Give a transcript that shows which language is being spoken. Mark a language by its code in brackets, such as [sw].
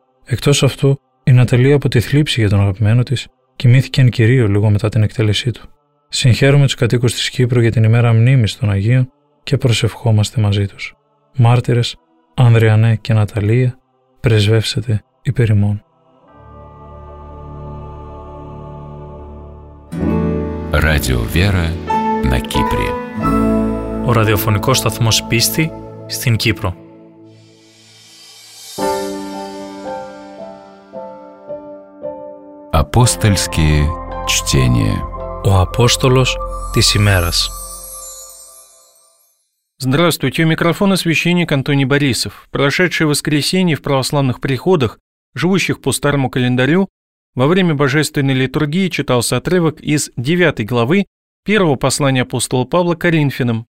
[el] Εκτός αυτού, η Ναταλία από τη θλίψη για τον αγαπημένο της, κοιμήθηκε εν κυρίω λίγο μετά την εκτέλεσή του. Συγχαίρουμε τους κατοίκους της Κύπρου για την ημέρα μνήμης των Αγίων και προσευχόμαστε μαζί τους. Μάρτυρες, Ανδριανέ και Ναταλία, πρεσβεύσετε υπέρ ημών. [ru] Ράδιο Βέρα, на Кипре. [el] Ο ραδιοφωνικός σταθμός πίστη στην Κύπρο. [ru] Апостольские чтения. [el] Ο Апостολος της ημέρας. [ru] Здравствуйте, у микрофона священник Антоний Борисов. Прошедшее воскресенье в православных приходах, живущих по старому календарю, во время божественной литургии читался отрывок из 9 главы первого послания апостола Павла к Коринфянам.